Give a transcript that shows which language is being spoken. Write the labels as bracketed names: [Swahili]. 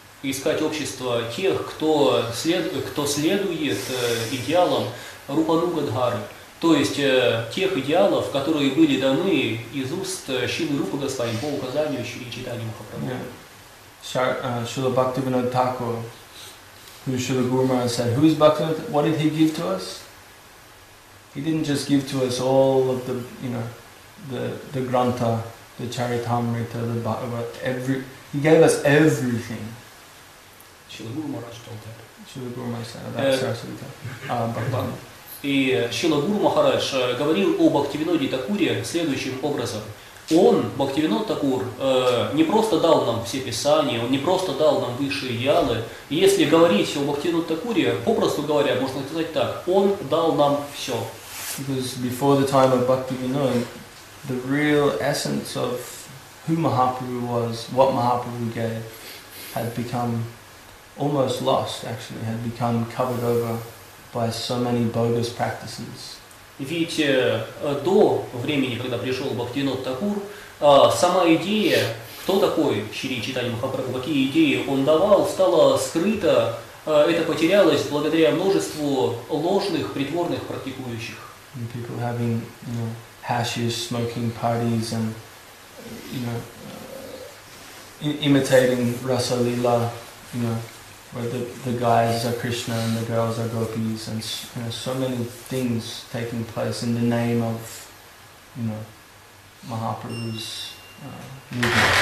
[Russian] Искать общество тех, кто следует идеалам Рупа-Нуга-Дхары, то есть тех идеалов, которые были даны из уст Шилы Рупа Госвами по указанию Шри Чайтанья Махапрабху. [English] Шрила Бхактивинод Тхакур, who Шрила Гуру Махарадж said, who is Bhaktivinod, what did he give to us? He didn't just give to us all of the, you know, the Grantha, the Charitamrita, the Bhagavat, every... He gave us everything. Śrīla Guru Mahārāj told that. Śrīla Guru Mahārāj said about Sarasvati. [Russian] И Śrīla Guru Mahārāj говорил о Бхактивиноде Такуре следующим образом. Он, Бхактивинод Такур, не просто дал нам все писания, он не просто дал нам высшие идеалы. Если говорить о Бхактивиноде Такуре, попросту говоря, можно сказать так, он дал нам все. [English] Because before the time of Bhaktivinoda, the real essence of who Mahāprabhu was, what Mahāprabhu gave, had become almost lost, actually, had become covered over by so many bogus practices. [Russian] Ведь до времени, когда пришел Бхактивинод Такур, сама идея, кто такой Шри Чайтанья Махапрабху, какие идеи он давал, стала скрыта, это потерялось благодаря множеству ложных, притворных практикующих. [English] And people having, you know, hashish, smoking parties and, you know, imitating Rasa Lila, you know, where the guys are Krishna and the girls are gopis, and, you know, so many things taking place in the name of, you know, Mahāprabhu's movement.